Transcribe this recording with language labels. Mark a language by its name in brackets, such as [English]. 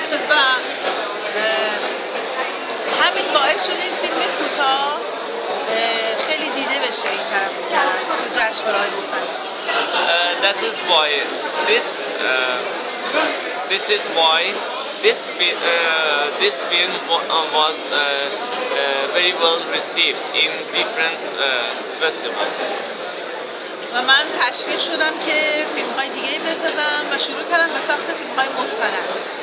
[Persian] و همین باعث شد این فیلم کوتاه خیلی دیده بشه این طرف کردن تو جشنواره‌های مختلف. [English] That is why this film was very well received in different festivals. [Persian] و من تشویق شدم که فیلم های دیگه بسازم و شروع کردم به ساخت فیلم های مستند.